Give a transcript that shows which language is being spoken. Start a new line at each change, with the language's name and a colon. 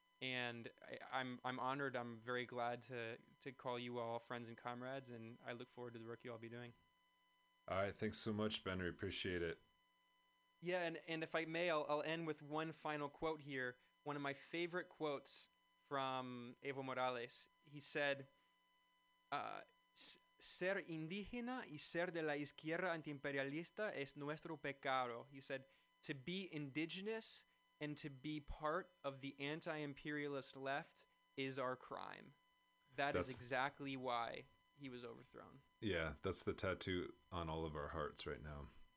English: And I'm honored. I'm very glad to call you all friends and comrades. And I look forward to the work you all be doing. All right. Thanks so much, Ben. We appreciate it. Yeah. And if I may, I'll end with one final quote here. One of my favorite quotes from Evo Morales. He said,
Spanish: ser indígena y ser de la izquierda antiimperialista es nuestro pecado.
English: He said, to be indigenous and to be part of the anti-imperialist left is our crime. That is exactly why he was overthrown. Yeah, that's the tattoo on all of our hearts right now.